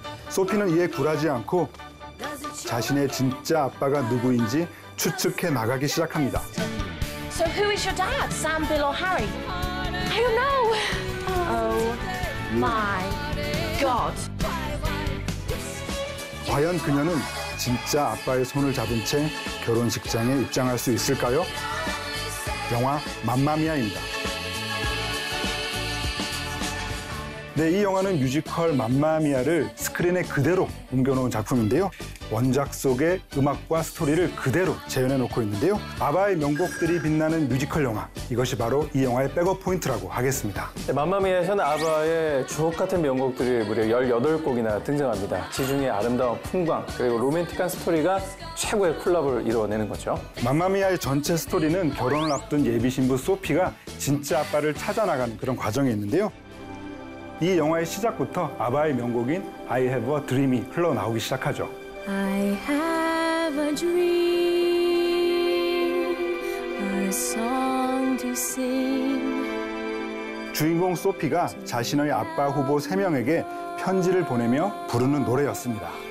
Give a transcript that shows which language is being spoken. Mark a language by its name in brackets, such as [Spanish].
[Korean] 소피는 이에 굴하지 않고 자신의 진짜 아빠가 누구인지 추측해 나가기 시작합니다. [English] So who is your dad? Sam, Bill, or Harry? I don't know. Oh my God. [Korean] 과연 그녀는 진짜 아빠의 손을 잡은 채 결혼식장에 입장할 수 있을까요? 영화 맘마미아입니다. 네, 이 영화는 뮤지컬 맘마미아를 스크린에 그대로 옮겨놓은 작품인데요. 원작 속의 음악과 스토리를 그대로 재현해놓고 있는데요. 아바의 명곡들이 빛나는 뮤지컬 영화. 이것이 바로 이 영화의 백업 포인트라고 하겠습니다. 네, 맘마미아에서는 아바의 주옥같은 명곡들이 무려 18곡이나 등장합니다. 지중해 아름다운 풍광 그리고 로맨틱한 스토리가 최고의 콜라보를 이뤄내는 거죠. 맘마미아의 전체 스토리는 결혼을 앞둔 예비신부 소피가 진짜 아빠를 찾아나가는 그런 과정이 있는데요. 이 영화의 시작부터 아바의 명곡인 I Have a Dream이 흘러나오기 시작하죠. [English] I have a dream, a song to sing. [Korean] 주인공 소피가 자신의 아빠 후보 세 명에게 편지를 보내며 부르는 노래였습니다.